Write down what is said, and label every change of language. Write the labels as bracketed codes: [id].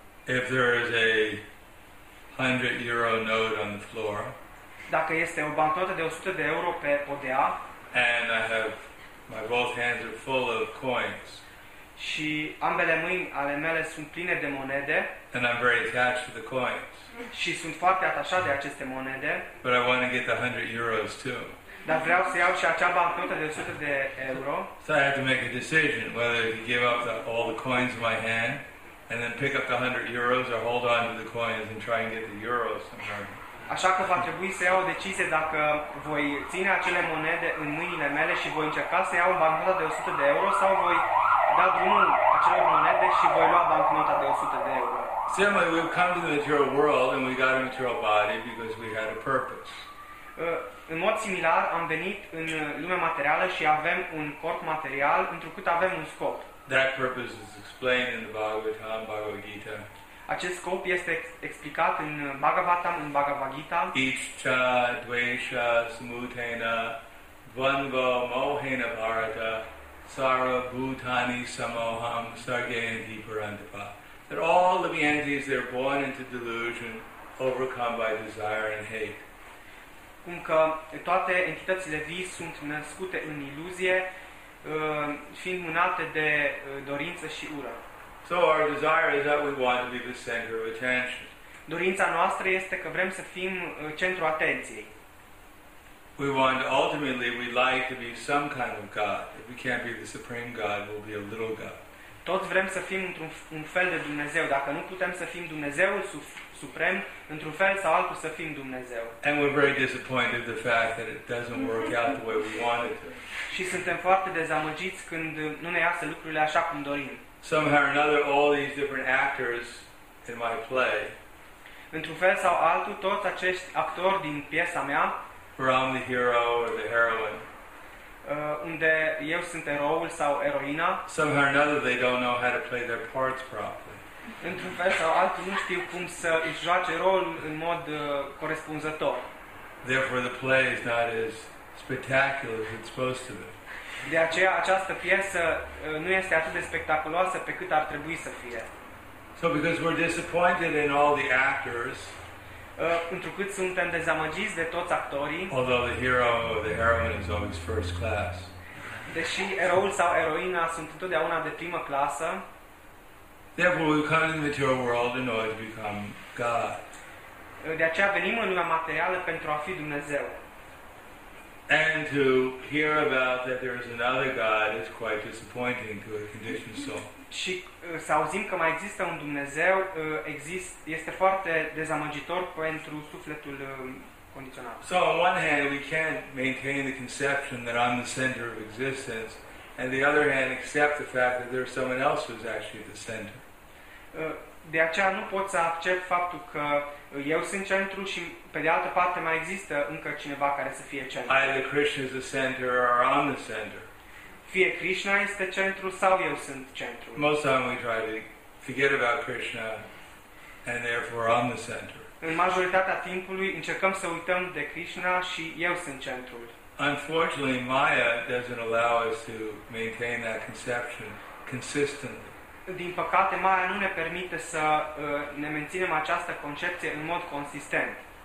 [en] If there is a 100 euro note on the floor. [ro] Dacă este o bancnotă de 100 de euro pe podea. [en] And I have my both hands are full of coins. [ro] Și ambele mâini ale mele sunt pline de monede. [en] And I'm very attached to the coins. [ro] Și sunt foarte atașat de aceste monede. [en] But I want to get the 100 euros too. [ro] Dar vreau să iau și acea bancnotă de 100 de euro. [en] So I have to make a decision whether to give up all the coins in my hand and then pick up the 100 euros or hold on to the coins and try and get the euros somehow. [ro] Așa că va trebui să iau o decizie dacă voi ține acele monede în mâinile mele și voi încerca să iau bancnota de 100 de euro sau voi da drumul acelor monede și voi lua bancnota de 100 de euro. [en] Similarly, we've come to the material world and we got a material body because we had a purpose. [ro] În mod similar, am venit în lumea materială și avem un corp material întrucât avem un scop. [en] That purpose is explained in the Bhagavad Gita. [ro] Acest scop este explicat în Bhagavatam, în Bhagavad Gita. [sa] Ichcha, dvesha, smutena, dvandva, mohena, bharata, sara, bhutani, samoham, sargayanti, parantapa. [en] That all living entities, they're born into delusion, overcome by desire and hate. [ro] Cum că toate entitățile vii sunt născute în iluzie, fiind mânate de dorință și ură. [en] So our desire is that we want to be the center of attention. [ro] Dorința noastră este că vrem să fim centrul atenției. [en] We want, ultimately, we'd like to be some kind of God. If we can't be the supreme God, we'll be a little God. [ro] Toți vrem să fim într-un fel de Dumnezeu. Dacă nu putem să fim Dumnezeul suprem, într-un fel sau altul să fim Dumnezeu. [en] And we're very disappointed the fact that it doesn't work out the way we want it to. [ro] Și suntem foarte dezamăgiți când nu ne iasă lucrurile așa cum dorim. [en] Somehow or another, all these different actors in my play. [ro] Într-un fel sau altul, toți acești actori din piesa mea. [en] Where I'm the hero or the heroine. [ro] Unde eu sunt eroul sau eroina. [en] Somehow or another, they don't know how to play their parts properly. [ro] Într-un fel sau altul, nu știu cum să își joace rolul în mod corespunzător. [en] Therefore, the play is not as spectacular as it's supposed to be. [ro] De aceea această piesă nu este atât de spectaculoasă pe cât ar trebui să fie. [en] So because we're disappointed in all the actors. [ro] Întrucât suntem dezamăgiți de toți actorii. [en] Although the hero or the heroine is always first class. [ro] Deși eroul sau eroina sunt întotdeauna de primă clasă. [en] Therefore, we come into the world in order to become God. [ro] De aceea venim în lumea materială pentru a fi Dumnezeu. [en] And to hear about that there is another God is quite disappointing to a conditioned soul. [ro] Și să auzim că mai există un Dumnezeu este foarte dezamăgitor pentru sufletul condiționat. [en] So on one hand we can't maintain the conception that I'm the center of existence and the other hand accept the fact that there's someone else who's actually at the center. [ro] De aceea nu pot să accept faptul că eu sunt centru și pe de altă parte mai există încă cineva care să fie centru. [en] Either Krishna is the center or I'm the center. [ro] Fie Krishna este centru sau eu sunt centru. [en] Most of we try to forget about Krishna and therefore I'm the center. [ro] În majoritatea timpului încercăm să uităm de Krishna și eu sunt centrul. [en] Unfortunately, Maya doesn't allow us to maintain that conception consistently. [ro] Din păcate, Maya nu ne permite să ne menținem această concepție în mod consistent.